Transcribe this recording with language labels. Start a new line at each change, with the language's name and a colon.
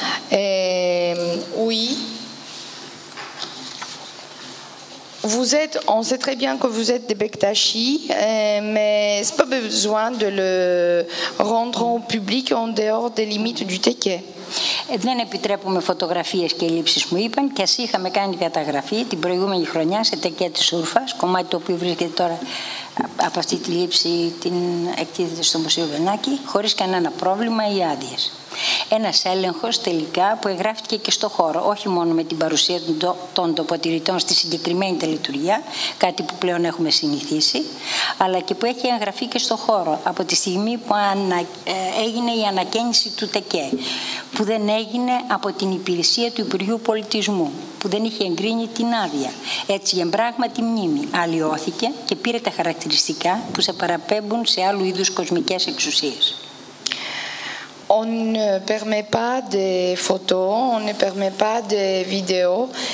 French: Et, oui. On sait très bien que vous êtes des Bektachi, mais ce n'est pas besoin de le rendre au public en dehors des limites du Teke.
Greek: Δεν επιτρέπουμε φωτογραφίες και ελλείψεις, μου είπαν, και ας είχαμε κάνει καταγραφή την προηγούμενη χρονιά σε Τεκέ της Ούρφας, κομμάτι το οποίο βρίσκεται τώρα από αυτή τη λήψη, την εκτίθεται στο Μουσείο Βενάκη, χωρίς κανένα πρόβλημα ή άδειες. Ένας έλεγχος τελικά που εγγράφτηκε και στο χώρο, όχι μόνο με την παρουσία των τοποτηρητών στη συγκεκριμένη τελετουργία, κάτι που πλέον έχουμε συνηθίσει, αλλά και που έχει εγγραφεί και στο χώρο από τη στιγμή που έγινε η ανακαίνιση του ΤΕΚΕ, που δεν έγινε από την υπηρεσία του Υπουργείου Πολιτισμού, που δεν είχε εγκρίνει την άδεια. Έτσι, η εμπράγματη μνήμη αλλοιώθηκε και πήρε τα χαρακτηριστικά που σε παραπέμπουν σε άλλου είδους κοσμικές εξουσίες.
French: On ne permet pas des photos, on ne permet pas des vidéos.